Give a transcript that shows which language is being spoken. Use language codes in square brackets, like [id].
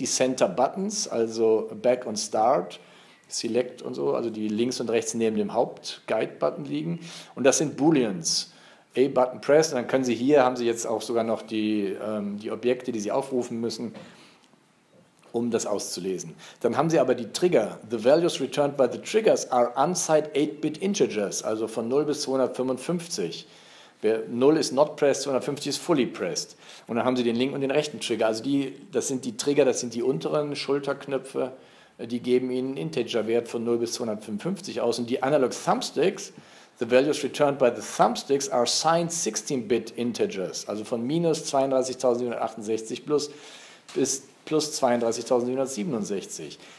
[de] Die Center Buttons, also Back und Start, Select und so, also die links und rechts neben dem Haupt-Guide-Button liegen. Und das sind Booleans. A-Button press, und dann können Sie hier, haben Sie jetzt auch sogar noch die Objekte, die Sie aufrufen müssen, um das auszulesen. Dann haben Sie aber die Trigger. [en] The values returned by the triggers are unsigned 8-bit integers, [de] also von 0 bis 255. Wer 0 ist [en] not pressed, [de] 250 ist [en] fully pressed. [de] Und dann haben Sie den linken und den rechten Trigger. Also das sind die Trigger, das sind die unteren Schulterknöpfe, die geben Ihnen einen Integer-Wert von 0 bis 255 aus. Und die Analog Thumbsticks, [en] the values returned by the Thumbsticks are signed 16-Bit Integers, [de] also von minus 32.768 plus 32.767.